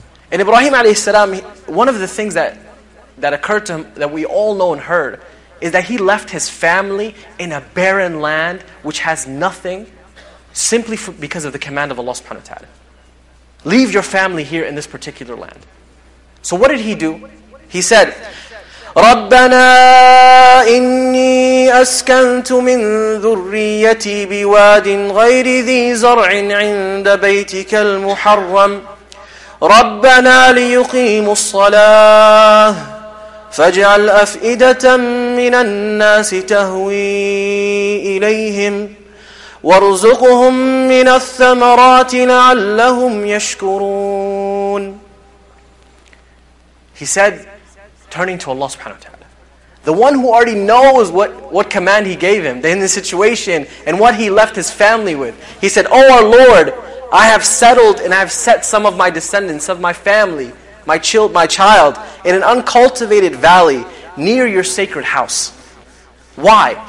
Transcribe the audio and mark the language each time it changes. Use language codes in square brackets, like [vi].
[en] And Ibrahim alayhi salam, one of the things that occurred to him that we all know and heard is that he left his family in a barren land which has nothing simply because of the command of Allah subhanahu wa ta'ala. Leave your family here in this particular land. So what did he do? He said, [ar] ربنا إني أسكنت من ذريتي بواد غير ذي زرع عند بيتك المحرم ربنا ليقيموا الصلاة فاجعل أفئدة من الناس تهوي إليهم وارزقهم من الثمرات لعلهم يشكرون. [en] He said, turning to Allah subhanahu wa ta'ala, the one who already knows what command he gave him in the situation and what he left his family with. He said, oh our Lord, I have settled and I have set some of my descendants, of my family, my child, in an uncultivated valley near your sacred house. Why?